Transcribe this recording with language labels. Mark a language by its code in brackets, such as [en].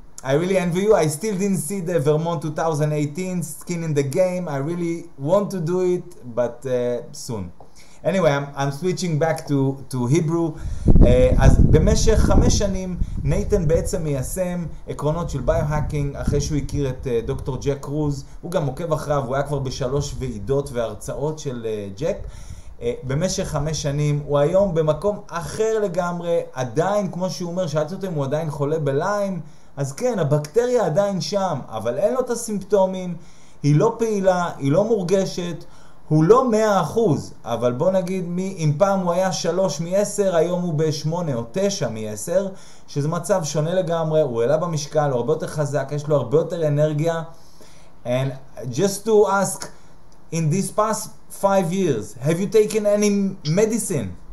[en] I really envy you. I still didn't see the Vermont 2018 skin in the game. I really want to do it, but soon. Anyway, I'm switching back to Hebrew. [he] אז במשך 5 שנים, נייתן בעצם מיישם עקרונות של ביוהאקינג, אחרי שהוא הכיר את דוקטור ג'ק קרוז. הוא גם עוקב אחריו, הוא היה כבר ב3 ועידות והרצאות של ג'ק. במשך 5 שנים, הוא היום במקום אחר לגמרי, עדיין, כמו שהוא אומר, שאלתי אותם, הוא עדיין חולה בליים. אז כן, הבקטריה עדיין שם, אבל אין לו את הסימפטומים, היא לא פעילה, היא לא מורגשת, הוא לא 100%, אבל בוא נגיד, אם פעם הוא היה 3 מ-10, היום הוא ב-8 או 9 מ-10, שזה מצב שונה לגמרי. הוא עלה במשקל, הוא הרבה יותר חזק, יש לו הרבה יותר אנרגיה. [en] And just to ask, in these past 5 years, have you taken any medicine?